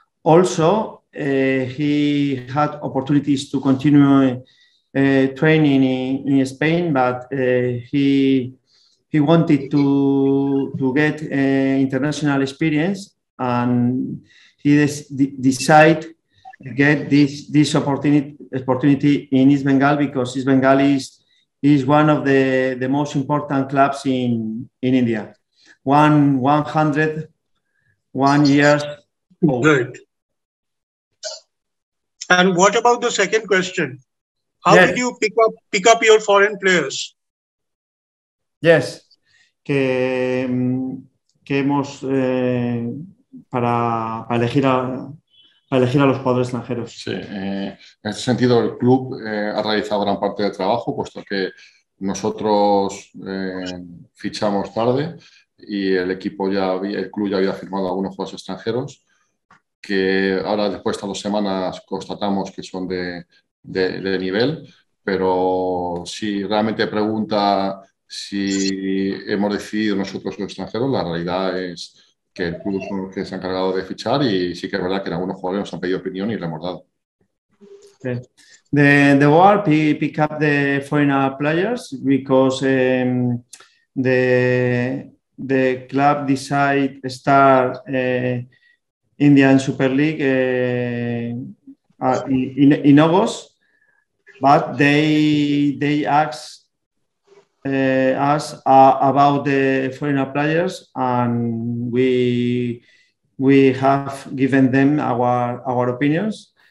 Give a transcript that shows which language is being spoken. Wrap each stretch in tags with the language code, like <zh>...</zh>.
<en>Also, he had opportunities to continue training in Spain, but he wanted to get international experience, and he decided to get this opportunity in East Bengal because East Bengal is one of the most important clubs in India. 101 years old. Good. And what about the second question? How did you pick up your foreign players?</en> <es>Yes, que hemos para elegir a los jugadores extranjeros. Sí, en este sentido el club ha realizado gran parte del trabajo, puesto que nosotros fichamos tarde y el club ya había firmado a algunos jugadores extranjeros. Que ahora después de 2 semanas constatamos que son de nivel, pero si realmente pregunta si hemos decidido nosotros los extranjeros, la realidad es que el club que se ha encargado de fichar y sí que es verdad que en algunos jugadores nos han pedido opinión y le hemos dado.</es> <en>Okay. The world pick up the foreign players because the club decide to start Indian Super League in August, but they asked us about the foreign players, and we have given them our opinions.</en>